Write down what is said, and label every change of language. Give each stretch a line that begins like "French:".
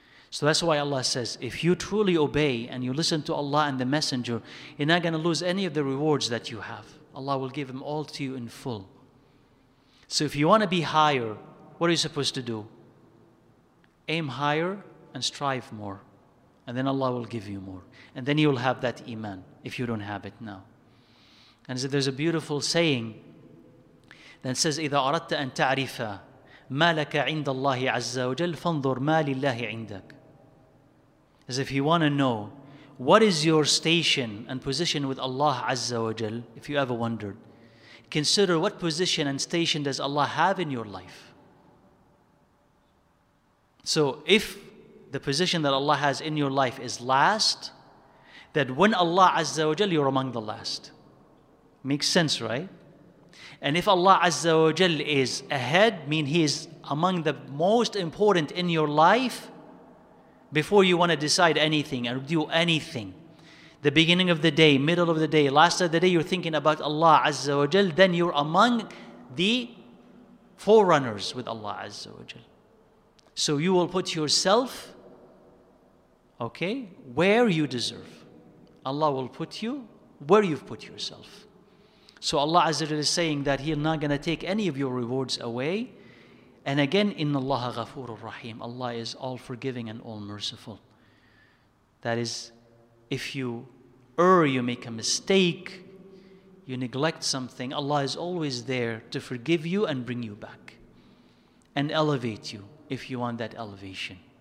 English: So that's why Allah says, if you truly obey and you listen to Allah and the Messenger, you're not going to lose any of the rewards that you have. Allah will give them all to you in full. So if you want to be higher, what are you supposed to do? Aim higher and strive more. And then Allah will give you more. And then you'll have that iman if you don't have it now. And so there's a beautiful saying that says,
Arabic: إِذَا أَرَدْتَ أَن تَعْرِفَ مَا لَكَ عِنْدَ اللَّهِ عَزَّ وَجَلْ فَانْظُرْ مَا لِلَّهِ عِنْدَكَ.
English: As if you want to know, what is your station and position with Allah Azza wa Jal, if you ever wondered, consider what position and station does Allah have in your life. So if the position that Allah has in your life is last, then when Allah Azza wa Jal, you're among the last. Makes sense, right? And if Allah Azza wa Jal is ahead, mean He is among the most important in your life, before you want to decide anything or do anything, the beginning of the day, middle of the day, last of the day, you're thinking about Allah Azza wa Jal, then you're among the forerunners with Allah Azza wa Jal. So you will put yourself, okay, where you deserve. Allah will put you where you've put yourself. So Allah Azza wa Jal is saying that He's not going to take any of your rewards away. And again,
Arabic: إِنَّ اللَّهَ غَفُورُ الرَّحِيمُ.
English: Allah is all-forgiving and all-merciful. That is, if you err, you make a mistake, you neglect something, Allah is always there to forgive you and bring you back and elevate you if you want that elevation.